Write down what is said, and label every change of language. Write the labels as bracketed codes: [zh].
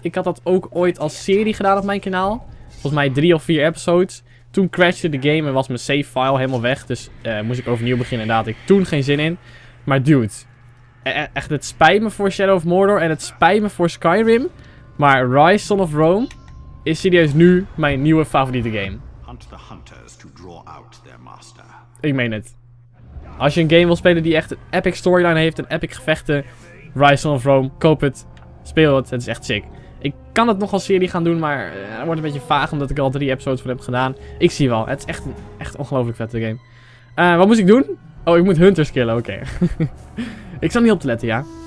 [nl] Ik had dat ook ooit als serie gedaan op mijn kanaal. Volgens mij 3 of 4 episodes. Toen crashte de game en was mijn save file helemaal weg. Dus moest ik overnieuw beginnen en daar had ik toen geen zin in. Maar dude, echt, het spijt me voor Shadow of Mordor en het spijt me voor Skyrim. Maar Rise Son of Rome is serieus nu mijn nieuwe favoriete game. [en] Hunt the hunters to draw out their master. [nl] Ik meen het. Als je een game wil spelen die echt een epic storyline heeft en epic gevechten, Rise Son of Rome, koop het. Speel het. Het is echt sick. Ik kan het nog als serie gaan doen, maar het wordt een beetje vaag omdat ik al 3 episodes van heb gedaan. Ik zie wel. Het is echt een echt ongelooflijk vette game. Wat moest ik doen? Oh, ik moet hunters killen. Oké. Okay. Ik zat niet op te letten, ja.